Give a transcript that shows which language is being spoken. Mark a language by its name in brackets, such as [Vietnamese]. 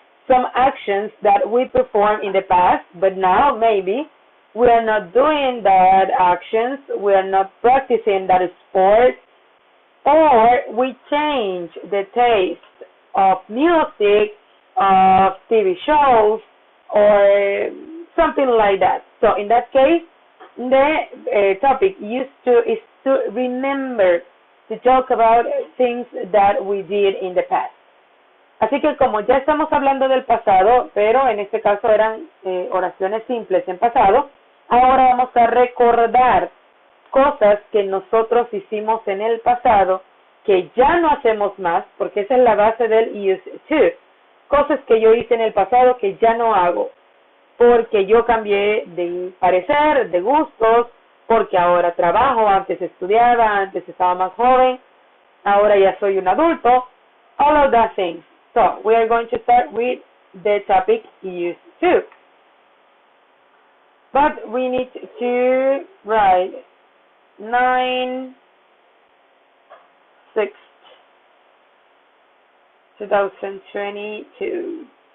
[English] some actions that we performed in the past, but now maybe we are not doing that actions, we are not practicing that sport, or we change the taste of music, of TV shows, or something like that. So in that case, the topic used to is to remember to talk about things that we did in the past. [Spanish] Así que como ya estamos hablando del pasado, pero en este caso eran oraciones simples en pasado, ahora vamos a recordar cosas que nosotros hicimos en el pasado que ya no hacemos más, porque esa es la base del used to. Cosas que yo hice en el pasado que ya no hago, porque yo cambié de parecer, de gustos, porque ahora trabajo, antes estudiaba, antes estaba más joven, ahora ya soy un adulto, [English] all of that things. So, we are going to start with the topic used to. But we need to write 9/6/2022.